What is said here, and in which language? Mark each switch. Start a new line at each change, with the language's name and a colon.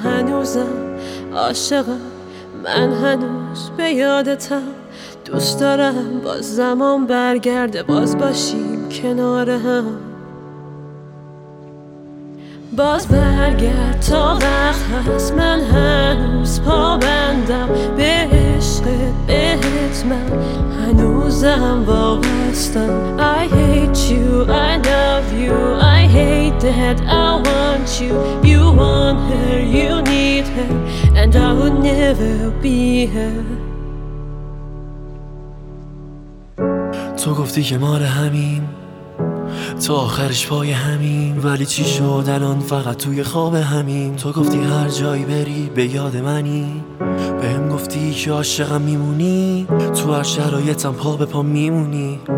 Persian: هنوزم عاشقم، من هنوز به یادتم، دوست دارم با زمان برگرده باز باشیم کنار هم. باز برگرد تا وقت هست، من هنوز پابندم به عشق بهت، من هنوزم وابستم.
English: I hate you, I love you, I hate that, I want you, you want her, you need her, and I would never be her.
Persian: تو گفتی که ما رو همیم تا آخرش پای همین، ولی چی شد الان فقط توی خواب همین. تو گفتی هر جایی بری به یاد منی، به هم گفتی که عاشقم میمونی، تو هر شرایطم پا به پا میمونی.